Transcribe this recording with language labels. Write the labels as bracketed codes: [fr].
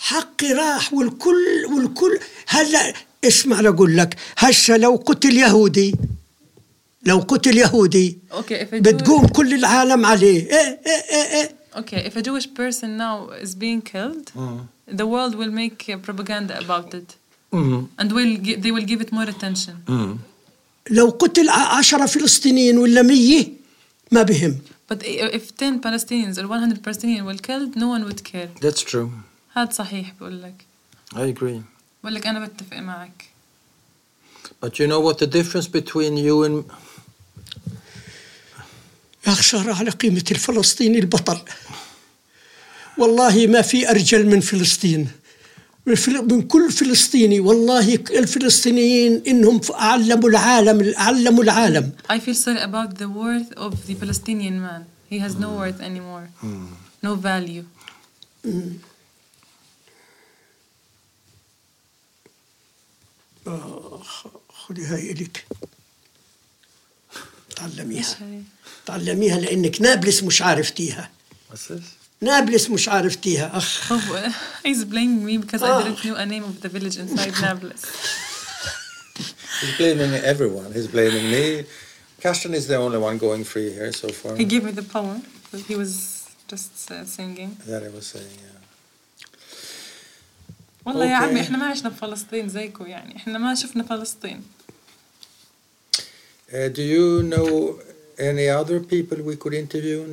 [ar] حقي راح والكل هلا اسمع لأقول لك هسه لو قتل يهودي [en] Okay, if a [ar] بتقوم كل العالم عليه. [en] Okay, if a Jewish person now is being killed, the world will make propaganda about it, and they will give it more attention. [ar] لو قتل 10 فلسطينيين ولا 100 ما بهم. [en] But if 10 Palestinians or 100 Palestinians were killed, no one would care. That's true. [ar] هذا صحيح بقول لك. [en] I agree. [ar] بقول لك أنا بتفق معك. [en] But you know what the difference between you and [ar] أخشر على قيمة الفلسطيني البطل. والله ما في أرجل من فلسطين. من كل فلسطيني والله الفلسطينيين إنهم علموا العالم [en] I feel sorry about the worth of the Palestinian man. He has no worth anymore. No value. [ar] خذي هاي إليك. تعلميها. تعلميها لأنك نابلس مش عارفتيها. نابلس مش عارفتيها. [en] He's blaming me because I didn't know a name of the village inside Nablus. He's blaming everyone. He's blaming me. Kashan is the only one going free here so far. He gave me the poem. He was just singing. That I was saying, yeah. [ar] والله يا عمي احنا ما عشنا في فلسطين زيكو يعني. احنا ما شفنا فلسطين. [en] Do you know any other people we could interview?